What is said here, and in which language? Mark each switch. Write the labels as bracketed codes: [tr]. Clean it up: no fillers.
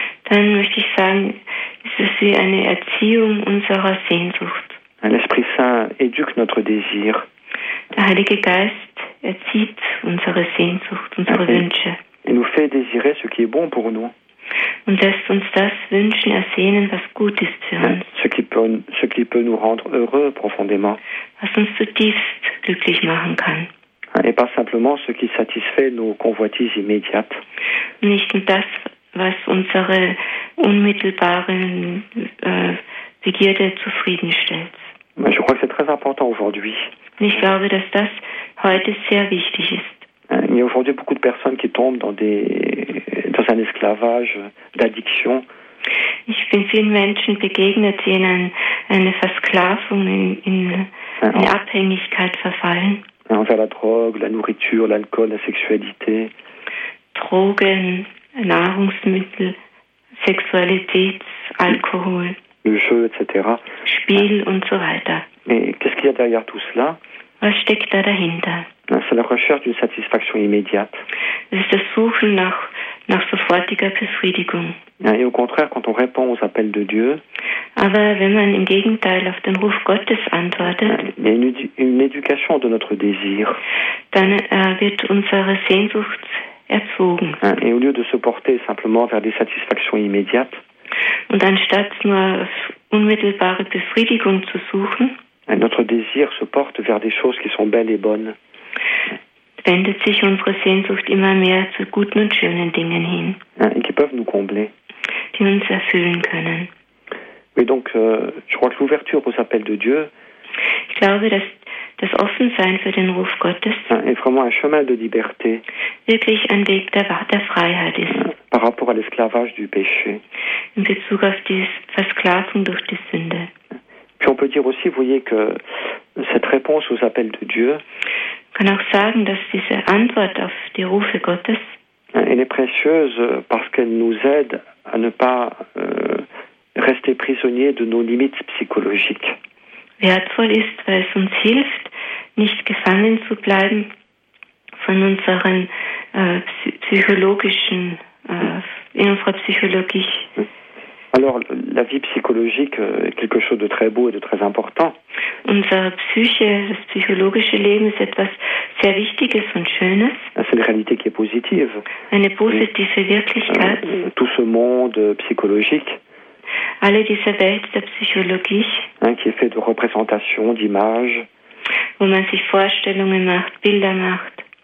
[de] Dann möchte ich sagen, es ist wie eine Erziehung unserer Sehnsucht. [fr] L'Esprit Saint éduque notre désir. [de] Der Heilige Geist erzieht unsere Sehnsucht, unsere Wünsche. [fr] Il nous fait désirer ce qui est bon pour nous. [de] Und lässt uns das wünschen, ersehnen, was gut ist für uns. [fr] Ce qui peut nous rendre heureux profondément. [de] Was uns zutiefst glücklich machen kann. [fr] Et pas simplement ce qui satisfait nos convoitises immédiates. [de] Nicht nur das, was unsere unmittelbaren Begierde zufriedenstellt. [fr] Je crois que c'est très important aujourd'hui. [de] Ich glaube, dass das heute sehr wichtig ist. [fr] Il y a aujourd'hui beaucoup de personnes qui tombent dans un esclavage d'addiction. [de] Ich bin vielen Menschen begegnet, die in eine Versklavung, in Abhängigkeit verfallen. [fr] Envers la drogue, la nourriture, l'alcool, la sexualité. [de] Drogen, Nahrungsmittel, Sexualität, Alkohol. [fr] Le jeu, etc. [de] Spiel und so weiter. [fr] Mais qu'est-ce qu'il y a derrière tout cela? [de] Was steckt da dahinter? [fr] C'est la recherche d'une satisfaction immédiate. C'est le [de] suchen nach sofortiger Befriedigung. [fr] Et au contraire, quand on répond aux appels de Dieu, [de] aber wenn man im Gegenteil auf den Ruf Gottes antwortet, [fr] il y a une éducation de notre désir. [de] Dann wird unsere Sehnsucht erzogen. [fr] Et au lieu de se porter simplement vers des satisfactions immédiates, [de] und anstatt nur unmittelbare Befriedigung zu suchen, [fr] notre désir se porte vers des choses qui sont belles et bonnes. [de] Wendet sich unsere Sehnsucht immer mehr zu guten und schönen Dingen hin. [fr] Et qui peuvent nous combler. [de] Die uns erfüllen können. [fr] Mais donc, je crois que l'ouverture aux appels de Dieu, [de] ich glaube, dass das Offensein für den Ruf Gottes [fr] est vraiment un chemin de liberté, [de] wirklich ein Weg der Freiheit ist. [fr] Par rapport à l'esclavage du péché. [de] In Bezug auf die Versklavung durch die Sünde. [fr] Puis on peut dire aussi, vous voyez, que cette réponse aux appels de Dieu, [de] ich kann auch sagen, dass diese Antwort auf die Rufe Gottes, [fr] elle est précieuse parce qu'elle nous aide à ne pas rester prisonniers de nos limites psychologiques. [de] Wertvoll ist, weil es uns hilft, nicht gefangen zu bleiben von unseren psychologischen, in unserer Psychologie. [fr] Alors, la vie psychologique est quelque chose de très beau et de très important. [de] Unsere Psyche, das psychologische Leben, ist etwas sehr Wichtiges und Schönes. [fr] C'est une réalité qui est positive. [de] Eine positive Wirklichkeit. [fr] Tout ce monde psychologique. [de] Alle diese Welt der Psychologie. [fr] Qui est fait de représentations, d'images. [de] Wo man sich Vorstellungen macht, Bilder macht.